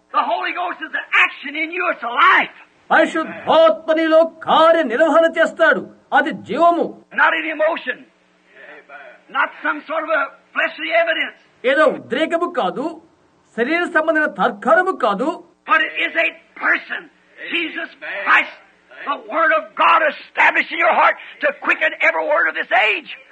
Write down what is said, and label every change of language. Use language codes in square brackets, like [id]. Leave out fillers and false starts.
[en] The Holy Ghost is the action in you, it's a life. [te] పరిశుద్ధాత్మనిలో కార్య నిర్వహణ చేస్తాడు, అది జీవము. [en] Not an emotion. Not some sort of a fleshly evidence. [te] ఏదో ఉద్రేకము కాదు, శరీర సంబంధమైన తర్కము కాదు. [en] But it is a person. Jesus Christ, the word of God established in your heart to quicken every word of this age.